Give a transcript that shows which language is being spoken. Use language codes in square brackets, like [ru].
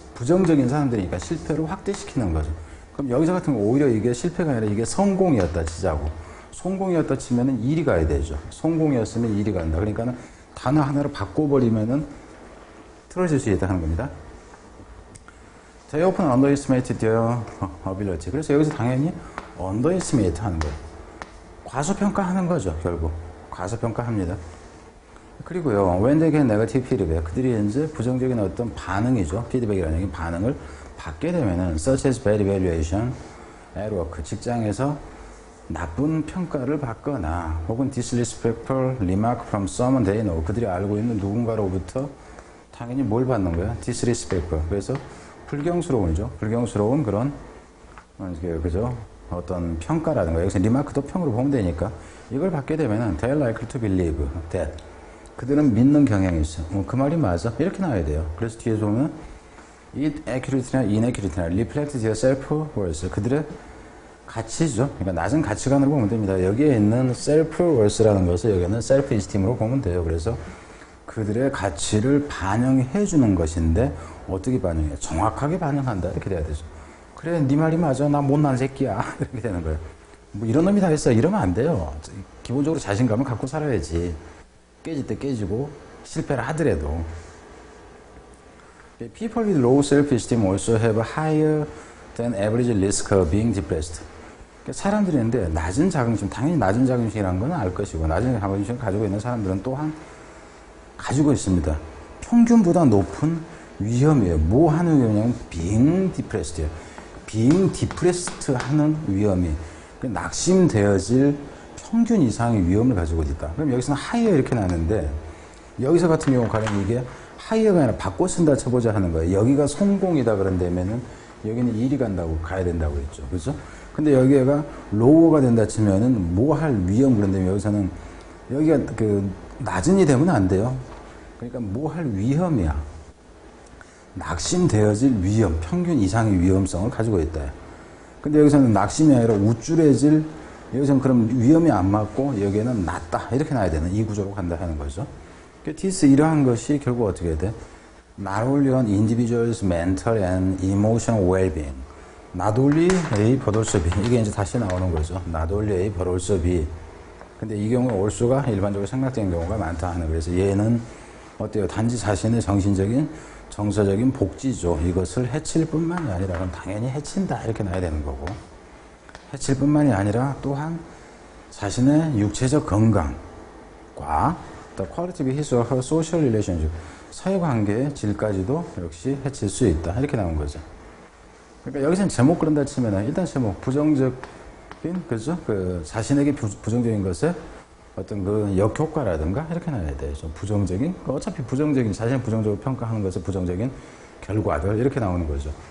[ko] 부정적인 사람들이니까 실패를 확대시키는 거죠. 그럼 여기서 같은 거 오히려 이게 실패가 아니라 이게 성공이었다 치자고. 성공이었다 치면은 1이 가야 되죠. 성공이었으면 1이 간다. 그러니까는 단어 하나로 바꿔버리면은 틀어질 수 있다 하는 겁니다. [en] They often underestimate their ability. [ko] 그래서 여기서 당연히 underestimate 하는 거예요. 과소평가하는 거죠, 결국. 과소평가합니다. 그리고요, [en] when they get negative feedback, [ko] 그들이 이제 부정적인 어떤 반응이죠. 피드백이라는 얘기는 반응을 받게 되면은 [en] such as bad evaluation at work, [ko] 직장에서 나쁜 평가를 받거나 혹은 [en] disrespectful remark from someone they know, [ko] 그들이 알고 있는 누군가로부터 당연히 뭘 받는 거야? [en] disrespectful. [ko] 그래서 불경스러운이죠. 불경스러운 그런 그죠? 어떤 평가라는 거예요. 여기서 리마크도 평으로 보면 되니까 이걸 받게 되면은 [en] they're likely to believe that. [ko] 그들은 믿는 경향이 있어. 뭐 그 말이 맞아. 이렇게 나와야 돼요. 그래서 뒤에 보면 [en] it accurately나 inaccurately나 reflect their self-worth. [ko] 그들의 가치죠. 그러니까 낮은 가치관으로 보면 됩니다. 여기에 있는 self-worth라는 것을 여기는 self-esteem으로 보면 돼요. 그래서 그들의 가치를 반영해 주는 것인데 어떻게 반영해? 정확하게 반영한다. 이렇게 돼야 되죠. 그래, 네 말이 맞아. 나 못난 새끼야. 이렇게 되는 거예요. 뭐 이런 놈이 다 있어. 이러면 안 돼요. 기본적으로 자신감을 갖고 살아야지. 깨질 때 깨지고 실패를 하더라도. [en] People with low self-esteem also have a higher than average risk of being depressed. [ko] 그러니까 사람들인데 낮은 자긍심, 당연히 낮은 자긍심이라는 건 알 것이고 낮은 자긍심을 가지고 있는 사람들은 또한 가지고 있습니다. 평균보다 높은 위험이에요. 뭐 하는 위험이냐면 [en] being depressed [ko] 예요. [en] being depressed [ko] 하는 위험이 낙심되어질 평균 이상의 위험을 가지고 있다. 그럼 여기서는 higher 이렇게 나왔는데 여기서 같은 경우 가령 이게 higher가 아니라 바꿔 쓴다 쳐보자 하는 거예요. 여기가 성공이다 그런다면은 여기는 1이 간다고 가야 된다고 했죠. 그렇죠? 근데 여기가 lower가 된다 치면은 뭐 할 위험 그런다면 여기서는 여기가 그 낮은이 되면 안 돼요. 그러니까 뭐 할 위험이야. 낙심되어질 위험, 평균 이상의 위험성을 가지고 있다. 근데 여기서는 낙심이 아니라 우쭐해질, 여기서는 그럼 위험이 안 맞고 여기에는 낮다. 이렇게 나와야 되는 이 구조로 간다 하는 거죠. 디스 이러한 것이 결국 어떻게 돼? [en] Not only on individual's mental and emotional well-being. Not only A, but also B. [ko] 이게 이제 다시 나오는 거죠. [en] Not only A, but also B. [ko] 근데 이 경우에 올수가 일반적으로 생각되는 경우가 많다 하는 거예요. 그래서 얘는 어때요? 단지 자신의 정신적인, 정서적인 복지죠. 이것을 해칠 뿐만이 아니라 그럼 당연히 해친다 이렇게 놔야 되는 거고 해칠 뿐만이 아니라 또한 자신의 육체적 건강, 효과, [en] the quality of his or her social relationship, [ko] 사회관계의 질까지도 역시 해칠 수 있다. 이렇게 나온 거죠. 그러니까 여기서는 제목 그런다 치면 일단 제목, 부정적인, 그죠? 그 자신에게 부정적인 것에 어떤 그 역효과라든가 이렇게 나와야 돼요. 좀 부정적인, 어차피 부정적인, 자신을 부정적으로 평가하는 것에 부정적인 결과들 이렇게 나오는 거죠.